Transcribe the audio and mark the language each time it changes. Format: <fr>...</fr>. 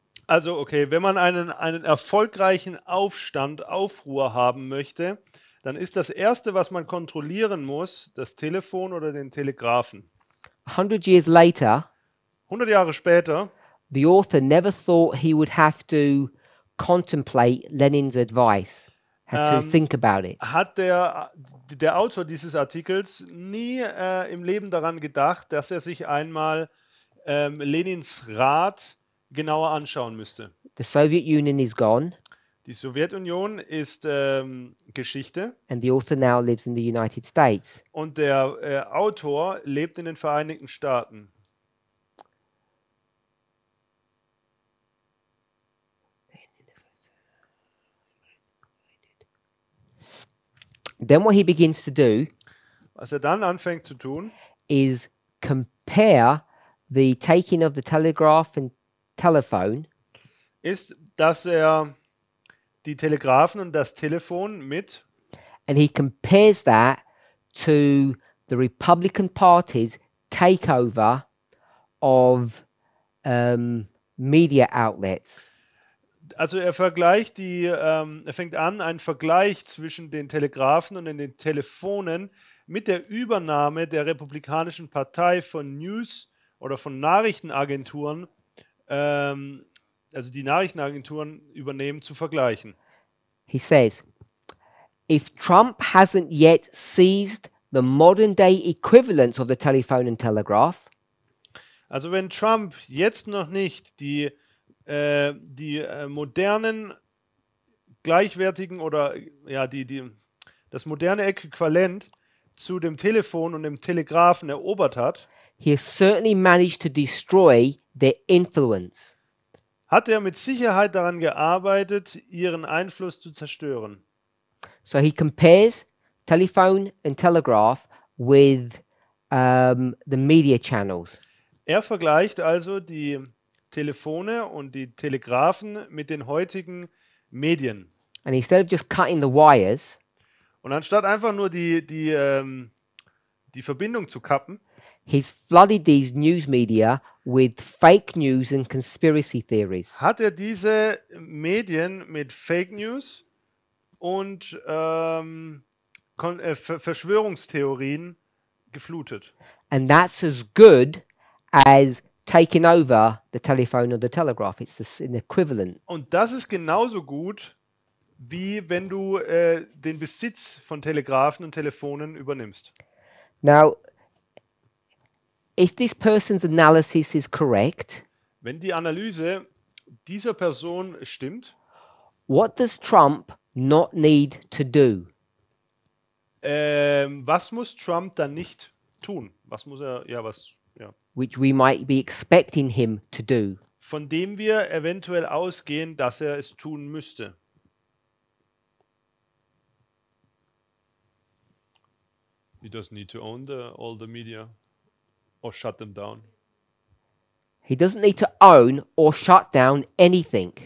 <de>Also okay, wenn man einen erfolgreichen Aufstand, Aufruhr haben möchte, dann ist das Erste, was man kontrollieren muss, das Telefon oder den Telegrafen.</de> <en>100 years later,</en> <de>100 Jahre später,</de> <en>the author never thought he would have to contemplate Lenin's advice. had to think about it.</en> <de>Hat der Autor dieses Artikels nie im Leben daran gedacht, dass er sich einmal Lenins Rat genauer anschauen müsste.</de> <en>The Soviet Union is gone.</en> <de>Die Sowjetunion ist Geschichte.</de> <en>And the author now lives in the United States.</en> <de>Und der Autor lebt in den Vereinigten Staaten.</de> <en>Then what he begins to do,</en> <de>was er dann anfängt zu tun,</de> <en>is compare the taking of the telegraph and telephone,</en> <de>ist, dass er die Telegrafen und das Telefon mit,</de> <en>and he compares that to the Republican Party's takeover of media outlets.</en> <de>Also er vergleicht die, er fängt an, einen Vergleich zwischen den Telegrafen und den Telefonen mit der Übernahme der Republikanischen Partei von News oder von Nachrichtenagenturen, also die Nachrichtenagenturen übernehmen, zu vergleichen.</de> <en>He says, if Trump hasn't yet seized the modern day equivalent of the telephone and telegraph.</en> <de>Also wenn Trump jetzt noch nicht die modernen gleichwertigen oder ja das moderne Äquivalent zu dem Telefon und dem Telegrafen erobert hat.</de> <en>He has certainly managed to destroy their influence.</en> <de>Hat er mit Sicherheit daran gearbeitet, ihren Einfluss zu zerstören.</de> <en>So he compares telephone and telegraph with the media channels.</en> <de>Er vergleicht also die Telefone und die Telegrafen mit den heutigen Medien.</de> <en>And instead of just cutting the wires,</en> <de>und anstatt einfach nur die Verbindung zu kappen,</de> <en>he's flooded these news media with fake news and conspiracy theories.</en> <de>Hat er diese Medien mit Fake News und Verschwörungstheorien geflutet.</de> <en>And that's as good as taking over the telephone or the telegraph. It's an equivalent.</en> <de>Und das ist genauso gut, wie wenn du den Besitz von Telegrafen und Telefonen übernimmst.</de> <en>Now, if this person's analysis is correct,</en> <de>wenn die Analyse dieser Person stimmt,</de> <en>what does Trump not need to do?</en> <de>Was muss Trump dann nicht tun? Was muss er, ja, was...</de> <en>Which we might be expecting him to do.</en> <de>Von dem wir eventuell ausgehen, dass er es tun müsste.</de> <en>He doesn't need to own all the media or shut them down. He doesn't need to own or shut down anything.</en>